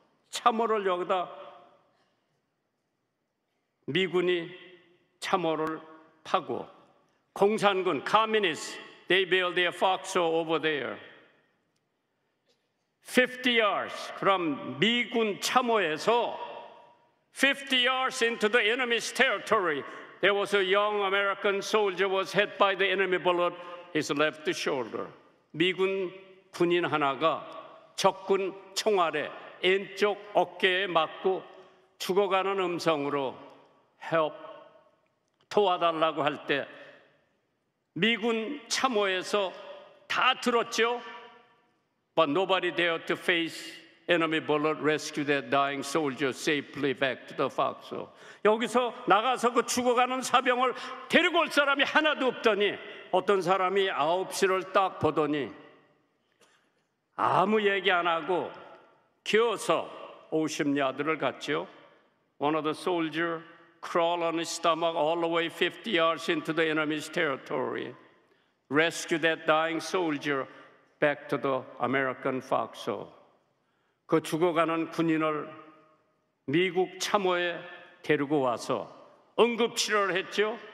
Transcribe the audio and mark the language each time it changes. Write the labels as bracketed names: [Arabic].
[Korean] 참호를 여기다 미군이 참호를 파고 공산군, [English] communists, they build their foxhole over there. 50 yards from [Korean] 미군 참호에서 [English] 50 yards into the enemy's territory, there was a young American soldier was hit by the enemy bullet, his left shoulder. [Korean] 미군 군인 하나가 적군 총알에 왼쪽 어깨에 맞고 죽어가는 음성으로 help, 도와달라고 할 때 미군 참호에서 다 들었죠. [English] But nobody dared to face enemy bullet, rescue that dying soldier safely back to the foxhole. [Korean] 여기서 나가서 그 죽어가는 사병을 데리고 올 사람이 하나도 없더니 어떤 사람이 9시를 딱 보더니 아무 얘기 안 하고 기어서 50야드를 갔죠. [English] One of the soldier crawled on his stomach all the way 50 yards into the enemy's territory. Rescue that dying soldier back to the American foxhole. [Korean] 그 죽어가는 군인을 미국 참호에 데리고 와서 응급치료를 했죠.